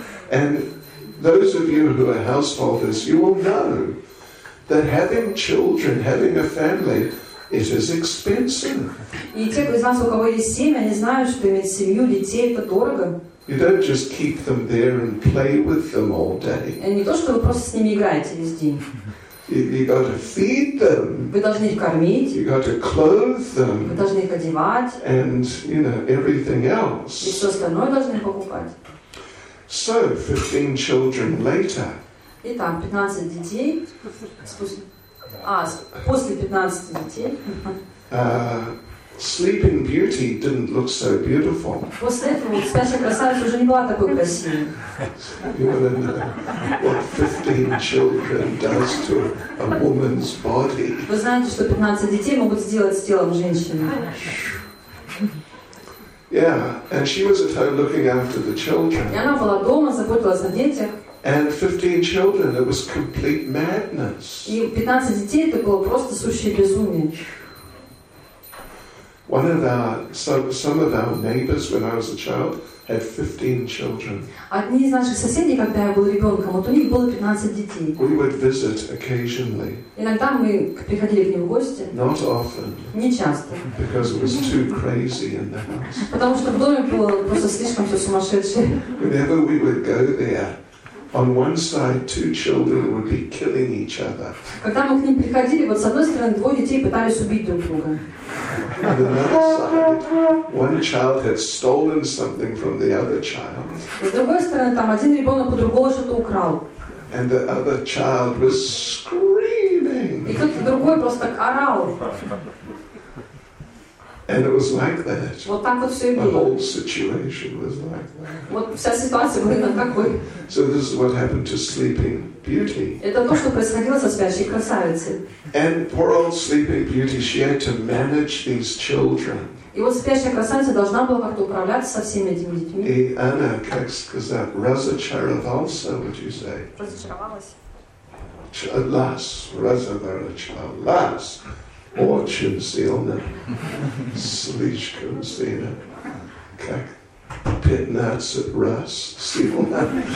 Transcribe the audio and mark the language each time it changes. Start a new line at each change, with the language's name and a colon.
English: And those of you who are householders, you will know that having children, having a family, it is expensive.
Russian: И те из нас, у кого есть семья, они знают, что иметь семью, детей — это дорого.
English: You don't just keep them there and play with them all day.
Russian: И не то, что вы просто с ними играете весь день.
English: You got to feed them.
Russian: Вы должны их кормить.
English: You got to clothe them.
Russian: Вы должны их одевать.
English: And, you know, everything else.
Russian: И все остальное должны покупать.
English: So, 15 children later.
Russian: Итак, 15 детей. После 15 детей.
English: Sleeping Beauty didn't look so beautiful.
Russian: После этого спящая красавица уже не была такой красивой.
English: You want to know what 15 children does to a woman's body?
Russian: Вы знаете, что 15 детей могут сделать с телом женщины?
English: Yeah, and she was at home looking after the children.
Russian: И она была дома, заботилась о детях.
English: And 15 children, it was complete madness.
Russian: И 15 детей — это было просто сущее безумие.
English: Some of our neighbors when I was a child had 15 children.
Russian: Одни из наших соседей, когда я был ребенком, вот у них было 15 детей.
English: We would visit occasionally.
Russian: Иногда мы приходили к ним в гости.
English: Not often.
Russian: Не часто.
English: Because it was too crazy in the house.
Russian: Потому что в доме было просто слишком все сумасшедшее.
English: Whenever we would go there, on one side, two children would be killing each other.
Russian: Когда мы к ним приходили, вот с одной стороны двое детей пытались убить друг друга.
English: On another side, one child had stolen something from the other child.
Russian: С другой стороны, там один ребенок у другого что-то украл.
English: And the other child was screaming.
Russian: И кто-то другой просто орал.
English: And it was like that.
Russian: Вот так вот все и было.
English: The whole situation was like that.
Russian: Вот вся ситуация была именно такой.
English: So this is what happened to Sleeping Beauty.
Russian: Это то, что происходило со спящей красавицей.
English: And poor old Sleeping Beauty, she had to manage these children.
Russian: И вот спящая красавица должна была как-то управляться со всеми этими детьми. И она как сказать, разочаровалась,
English: would you say?
Russian: Разочаровалась. Очень сильно, слишком сильно, как 15 раз сильно.